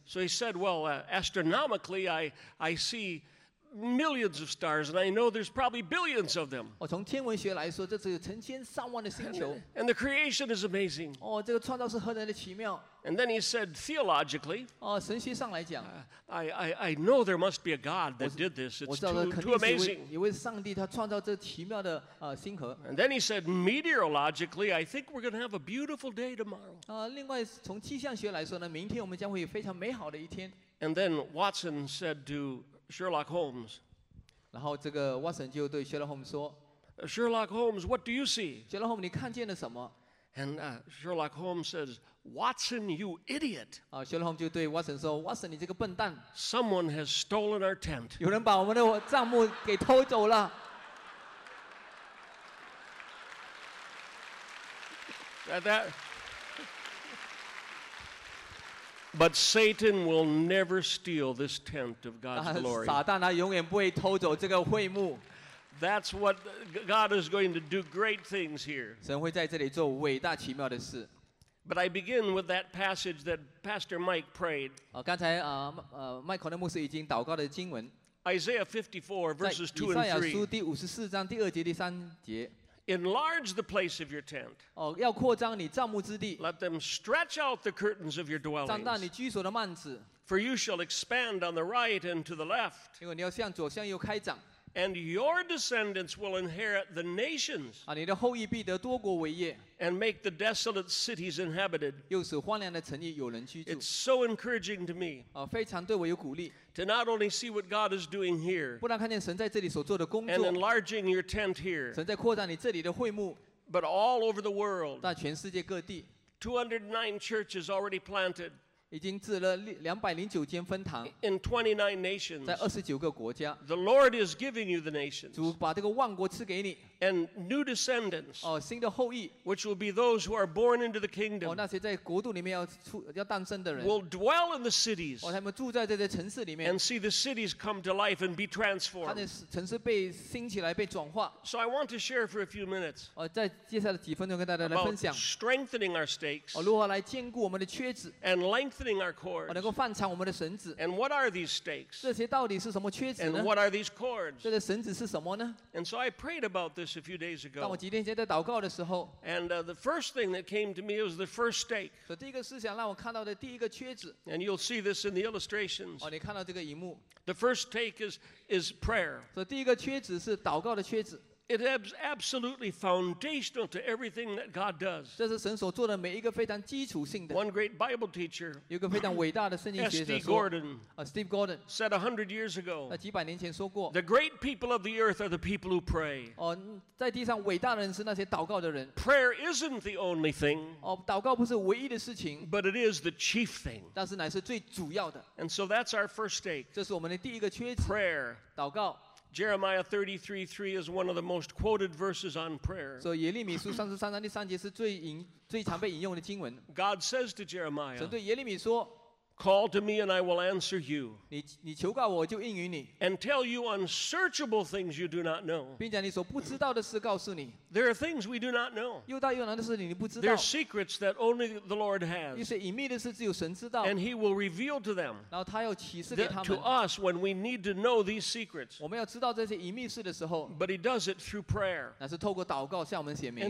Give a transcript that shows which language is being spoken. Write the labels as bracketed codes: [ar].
[en] So he said, well, astronomically, I see millions of stars, and I know there's probably billions of them. [zh] 从天文学来说，这只有成千上万的星球。 [en] And the creation is amazing. [zh] 这个创造是何等的奇妙。 [en] And then he said, theologically, [zh] 神学上来讲 [en] I know there must be a God that did this. It's too amazing. [zh] 一位上帝他创造这奇妙的星河。 [en] And then he said, meteorologically, I think we're going to have a beautiful day tomorrow. [zh] 另外从气象学来说呢，明天我们将会有非常美好的一天。 [en] And then Watson said to Sherlock Holmes, [zh] 然后这个 Watson 就对 Sherlock Holmes 说 [en] Sherlock Holmes, what do you see? [zh] Sherlock Holmes, 你看见了什么？ [en] And Sherlock Holmes says, Watson, you idiot. [zh] Sherlock Holmes 就对 Watson 说 ，Watson， 你这个笨蛋。 [en] Someone has stolen our tent. [zh] 有人把我们的帐幕给偷走了。 [en] That. But Satan will never steal this tent of God's glory. [zh] 撒旦他永远不会偷走这个会幕。 [en] That's what God is going to do great things here. [zh] 神会在这里做伟大奇妙的事。 [en] But I begin with that passage that Pastor Mike prayed. [zh] 刚才麦克的牧师已经祷告的经文。 [en] Isaiah 54 verses 2 and 3. [zh] 在以赛亚书第五十四章第二节第三节。 [en] Enlarge the place of your tent. [zh] 要扩张你帐幕之地。 [en] Let them stretch out the curtains of your dwellings. [zh] 张大你居所的幔子。 [en] For you shall expand on the right and to the left. [zh] 因为你要向左向右开张。 [en] And your descendants will inherit the nations. [zh] 你的后裔必得多国为业。 [en] And make the desolate cities inhabited. [zh] 又使荒凉的城邑有人居住。 [en] It's so encouraging to me. [zh] 非常对我有鼓励。 [en] To not only see what God is doing here. [zh] 不但看见神在这里所做的工作。 [en] And enlarging your tent here. [zh] 神在扩张你这里的会幕。 [en] But all over the world. [zh] 在全世界各地。 [en] 209 churches already planted. [zh] 已经置了209间分堂。 [en] In 29 nations. [zh] 在29个国家。 [en] The Lord is giving you the nations. [zh] 主把这个万国赐给你。 [en] And new descendants, [zh] 新的后裔, [en] which will be those who are born into the kingdom, [zh] 那些在国度里面要诞生的人, [en] will dwell in the cities, [zh] 他们住在这些城市里面, [en] and see the cities come to life and be transformed. [zh] 他的城市被兴起来被转化。 [en] So I want to share for a few minutes, [zh] 在接下来几分钟跟大家来分享, [en] about strengthening our stakes, [zh] 如何来坚固我们的缺子, [en] and lengthening our cords, [zh] 能够放长我们的绳子, [en] and what are these stakes, [zh] 这些到底是什么缺子呢? [en] and what are these cords, [zh] 这些绳子是什么呢? [en] and so I prayed about this a few days ago. And the first thing that came to me was the first stake. And you'll see this in the illustrations. [zh] 你看到这个荧幕。 [en] The first stake is prayer. [zh] 第一个缺子是祷告的缺子。 [en] It is absolutely foundational to everything that God does. [zh] 这是神所做的每一个非常基础性的。 [en] One great Bible teacher, [zh] 有个非常伟大的圣经学者说, Steve Gordon, [en] said 100 years ago, [zh] 几百年前说过, [en] the great people of the earth are the people who pray. [zh] 在地上伟大的人是那些祷告的人。 [en] Prayer isn't the only thing, [zh] 祷告不是唯一的事情, [en] but it is the chief thing. [zh] 但是乃是最主要的。 [en] And so that's our first stake. [zh] 这是我们的第一个缺子。 [en] Prayer, [zh] 祷告。 [en] Jeremiah 33:3 is one of the most quoted verses on prayer. [zh] So 耶利米书三十三章第三节是最常被引用的经文。 [en] God says to Jeremiah, [zh] 神对耶利米说。 [en] Call to me and I will answer you. [zh] 你求告我就应允你。 [en] And tell you unsearchable things you do not know. [zh] 并讲你所不知道的事告诉你。 [en] There are things we do not know. [zh] 又大又难的事你不知道。 [en] There are secrets that only the Lord has. [zh] 一些隐秘的事只有神知道。 [en] And he will reveal to them. [zh] 然后他要启示给他们。 [en] To us when we need to know these secrets. [zh] 我们要知道这些隐秘事的时候。 [en] But he does it through prayer. [zh] 那是透过祷告向我们显明。